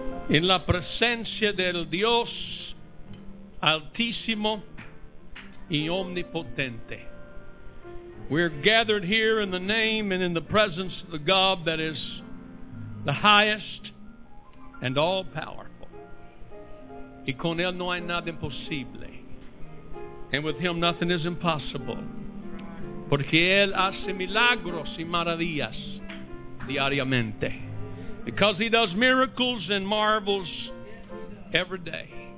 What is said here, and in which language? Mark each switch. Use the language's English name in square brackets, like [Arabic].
[Spanish] en la presencia del Dios Altísimo y Omnipotente. [English] We're gathered here in the name and in the presence of the God that is the highest and all powerful. [Spanish] Y con Él no hay nada imposible. [English] And with Him nothing is impossible. [Spanish] Porque Él hace milagros y maravillas diariamente. [English] Because He does miracles and marvels every day.